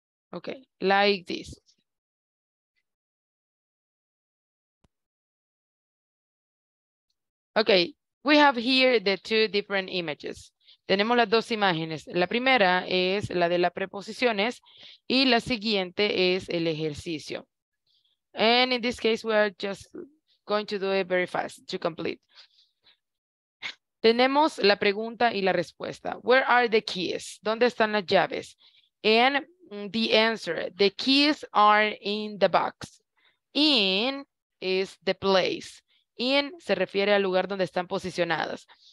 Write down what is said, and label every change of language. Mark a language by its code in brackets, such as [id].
[en] Okay, like this. Okay, we have here the two different images. [es] Tenemos las dos imágenes. La primera es la de las preposiciones y la siguiente es el ejercicio. [en] And in this case, we are just going to do it very fast to complete. [es] Tenemos la pregunta y la respuesta. [en] Where are the keys? [es] ¿Dónde están las llaves? [en] And the answer, the keys are in the box. In is the place. [es] In se refiere al lugar donde están posicionadas.